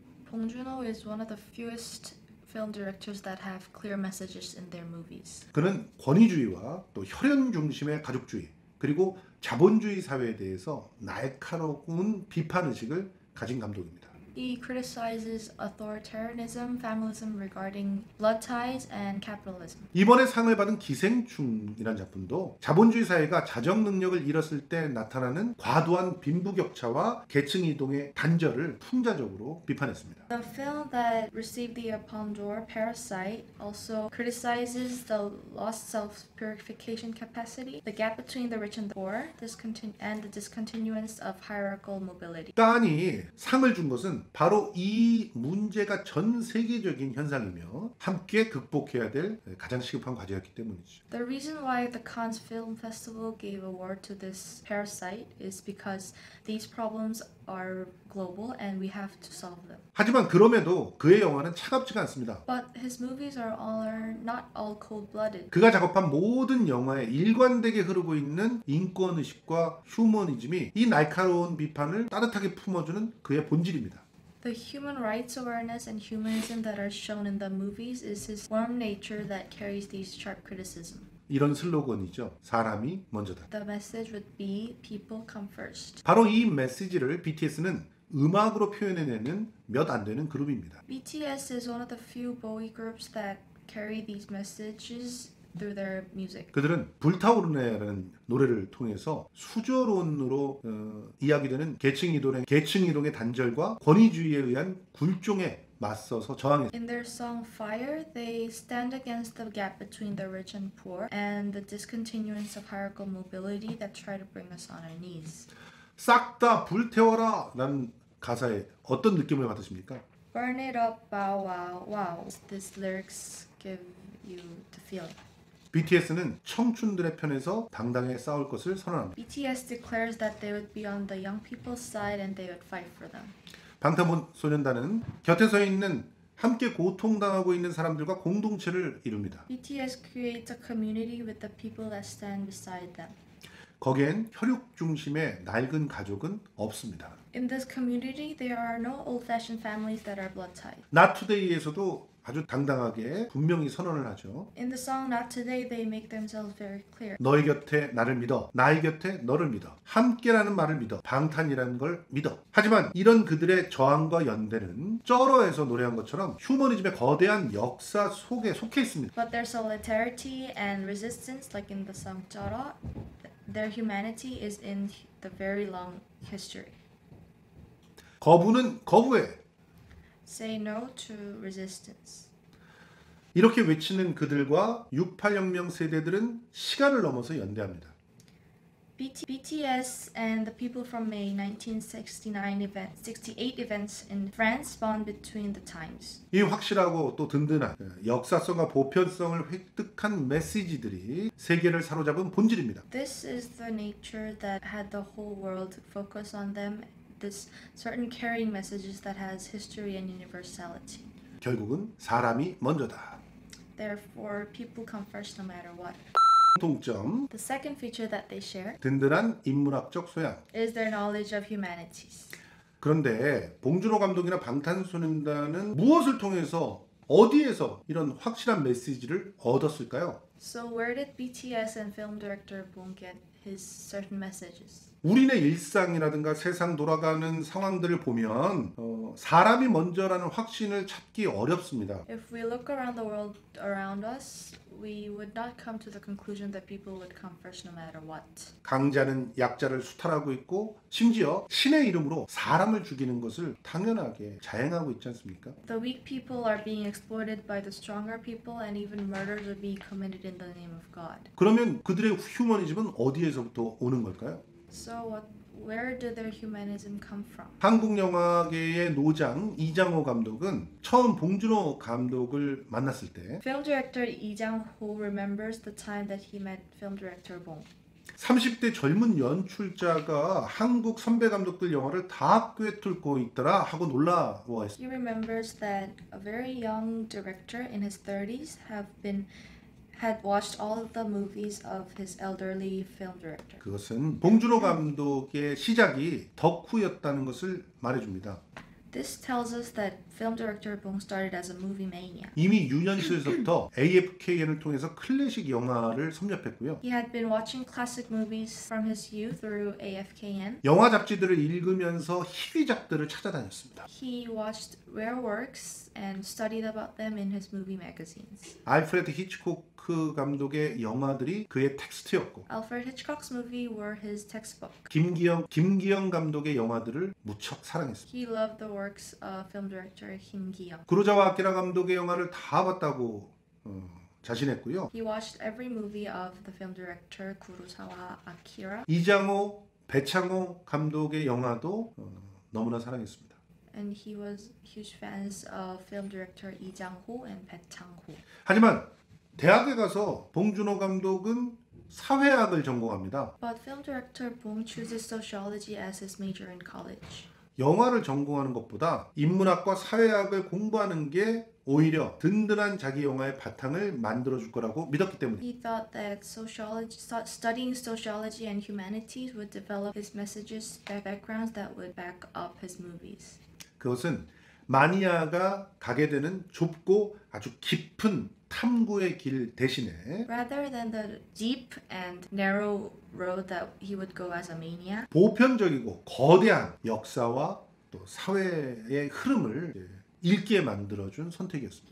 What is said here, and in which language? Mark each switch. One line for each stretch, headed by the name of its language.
English: Bong Joon-ho is one of the fewest film directors that have clear messages in their movies.
Korean: 그는 권위주의와 또 혈연 중심의 가족주의, 그리고 자본주의 사회에 대해서 날카로운 비판 의식을 가진 감독입니다.
English: He criticizes authoritarianism, familism regarding blood ties, and capitalism.
Korean: 이번에 상을 받은 기생충이라는 작품도 자본주의 사회가 자정 능력을 잃었을 때 나타나는 과도한 빈부격차와 계층 이동의 단절을 풍자적으로 비판했습니다.
English: The film that received the Palme d'Or, Parasite, also criticizes the lost self-purification capacity, the gap between the rich and the poor, and the discontinuance of hierarchical mobility.
Korean: 깐이 상을 준 것은 바로 이 문제가 전 세계적인 현상이며 함께 극복해야 될 가장 시급한 과제였기 때문이죠.
English: The reason why the Cannes Film Festival gave award to this Parasite is because these problems are global and we have to solve them.
Korean: 하지만 그럼에도 그의 영화는 차갑지가 않습니다.
English: But his movies are not all cold-blooded.
Korean: 그가 작업한 모든 영화에 일관되게 흐르고 있는 인권의식과 휴머니즘이 이 날카로운 비판을 따뜻하게 품어주는 그의 본질입니다.
English: The human rights awareness and humanism that are shown in the movies is his warm nature that carries these sharp criticism.
Korean: 이런 슬로건이죠. 사람이 먼저다.
English: The message would be people come first.
Korean: 바로 이 메시지를 BTS는 음악으로 표현해내는 몇 안 되는 그룹입니다.
English: BTS is one of the few boy groups that carry these messages through their music.
Korean: 그들은 불타오르네라는 노래를 통해서 수저론으로 이야기되는 계층 이동의 단절과 권위주의에 의한 굴종의 맞서서 저항했.
English: In their song Fire, they stand against the gap between the rich and poor and the discontinuance of hierarchical mobility that try to bring us on our knees.
Korean: 싹 다 불태워라 라는 가사에 어떤 느낌을 받으십니까?
English: Burn it up, bow wow, wow. These lyrics give you the feeling.
Korean: BTS는 청춘들의 편에서 당당히 싸울 것을 선언합니다.
English: BTS declares that they would be on the young people's side and they would fight for them.
Korean: 방탄소년단은 곁에 서 있는 함께 고통당하고 있는 사람들과 공동체를 이룹니다.
English: BTS creates a community with the people that stand beside them.
Korean: 거기엔 혈육 중심의 낡은 가족은 없습니다.
English: In this community, there are no old-fashioned families that are blood tied.
Korean: Not Today에서도 아주 당당하게 분명히 선언을 하죠.
English: In the song Not Today, they make themselves very clear.
Korean: 너의 곁에 나를 믿어. 나의 곁에 너를 믿어. 함께라는 말을 믿어. 방탄이라는 걸 믿어. 하지만 이런 그들의 저항과 연대는 쩔어에서 노래한 것처럼 휴머니즘의 거대한 역사 속에 속해 있습니다.
English: But their solidarity and resistance, like in the song 쩔어, their humanity is in the very long history.
Korean: 거부는 거부해.
English: Say no to resistance.
Korean: 이렇게 외치는 그들과 6800 세대들은 시간을 넘어서 연대합니다.
English: BTS and the people from May 1969 event, 68 events in France bond between the times.
Korean: 이 확실하고 또 든든한 역사성과 보편성을 획득한 메시지들이 세계를 사로잡은 본질입니다.
English: This is the nature that had the whole world focus on them. This certain carrying messages that has history and universality.
Korean: 결국은 사람이 먼저다.
English: Therefore, people come first no matter what.
Korean: 공통점.
English: The second feature that they share.
Korean: 든든한 인문학적 소양.
English: Is their knowledge of humanities.
Korean: 그런데 봉준호 감독이나 방탄소년단은 무엇을 통해서 어디에서 이런 확실한 메시지를 얻었을까요?
English: So where did BTS and film director Bong get his certain messages?
Korean: 우리네 일상이라든가 세상 돌아가는 상황들을 보면 사람이 먼저라는 확신을 찾기 어렵습니다.
English: If we look around the world around us, we would not come to the conclusion that people would come first no matter what.
Korean: 강자는 약자를 수탈하고 있고 심지어 신의 이름으로 사람을 죽이는 것을 당연하게 자행하고 있지 않습니까?
English: The weak people are being exploited by the stronger people and even murders are being committed in the name of God.
Korean: 그러면 그들의 휴머니즘은 어디에서부터 오는 걸까요?
English: So what, where did their humanism come from?
Korean: 한국 영화계의 노장 이장호 감독은 처음 봉준호 감독을 만났을 때
English: Film director Lee Jang-ho remembers the time that he met film director Bong.
Korean: 30대 젊은 연출자가 한국 선배 감독들 영화를 다 꿰뚫고 있더라 하고 놀라워했어.
English: He remembers that a very young director in his 30s had watched all of the movies of his elderly film director.
Korean: 그것은 봉준호 감독의 시작이 덕후였다는 것을 말해줍니다.
English: This tells us that film director Bong started as a movie mania.
Korean: 이미 유년시절부터 AFKN을 통해서 클래식 영화를 섭렵했고요.
English: He had been watching classic movies from his youth through AFKN.
Korean: 영화 잡지들을 읽으면서 희귀작들을 찾아다녔습니다.
English: He watched rare works and studied about them in his movie magazines.
Korean: 알프레드 히치콕 감독의 영화들이 그의 텍스트였고
English: Alfred Hitchcock's movie were his textbook.
Korean: 김기영 감독의 영화들을 무척 사랑했습니다.
English: He loved the works of film director 김기영.
Korean: 구로자와 아키라 감독의 영화를 다 봤다고 자신했고요.
English: He watched every movie of the film director 구로자와 아키라.
Korean: 이장호, 배창호 감독의 영화도 너무나 사랑했습니다.
English: And he was huge fans of film director 이장호 and 배창호.
Korean: 하지만 대학에 가서 봉준호 감독은 사회학을 전공합니다.
English: But film director Bong chooses sociology as his major in college.
Korean: 영화를 전공하는 것보다 인문학과 사회학을 공부하는 게 오히려 든든한 자기 영화의 바탕을 만들어 줄 거라고 믿었기 때문에.
English: He thought that sociology, studying sociology and humanities would develop his messages, the backgrounds that would back up his movies.
Korean: 그것은 마니아가 가게 되는 좁고 아주 깊은 탐구의 길 대신에
English: rather than the deep and narrow road that he would go as a mania
Korean: 보편적이고 거대한 역사와 또 사회의 흐름을 읽게 만들어준 선택이었습니다.